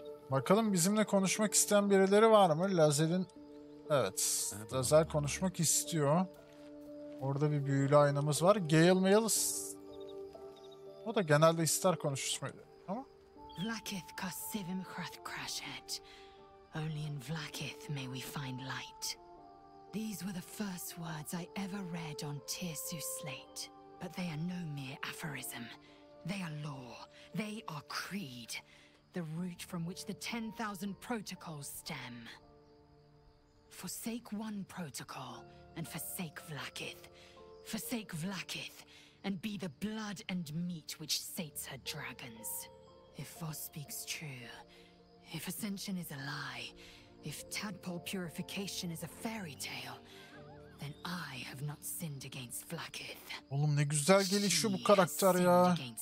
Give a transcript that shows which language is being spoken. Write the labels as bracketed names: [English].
[Turkish] Bakalım bizimle konuşmak isteyen birileri var mı? Lazel'in... Evet. Lazel konuşmak istiyor. Orada bir büyülü aynamız var. Gale Mayles... O da genelde ister konuşmayı. Ama... [English] Vlakith cost Sivimhrath Crashhead. Only in Vlakith may we find light. These were the first words I ever read on Tirsu Slate. But they are no mere aphorism. They are law. They are creed. The root from which the 10,000 protocols stem. Forsake one protocol and forsake Vlakith. Forsake Vlakith and be the blood and meat which sates her dragons. If Vos speaks true, if ascension is a lie, if tadpole purification is a fairy tale, then I have not sinned against Vlakith. [Turkish] Oğlum ne güzel gelişiyor bu karakter ya.